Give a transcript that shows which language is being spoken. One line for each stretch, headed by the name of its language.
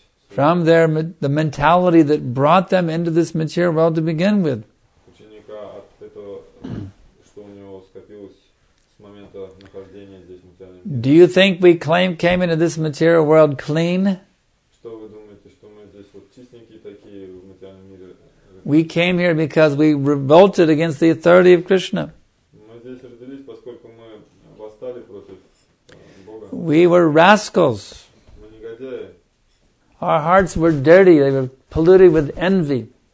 English: From their the mentality that brought them into this material world to begin with.
Russian: Ученика от этого, что у него скопилось с момента нахождения здесь в материальном мире.
English: Do you think we claim came into this material world clean?
Russian: Что вы думаете, что мы здесь вот чистенькие такие в материальном мире?
English: We came here because we revolted against the authority of Krishna.
Russian: Мы здесь родились, поскольку мы восстали против Бога.
English: We were rascals. Our hearts were dirty, they were polluted with envy.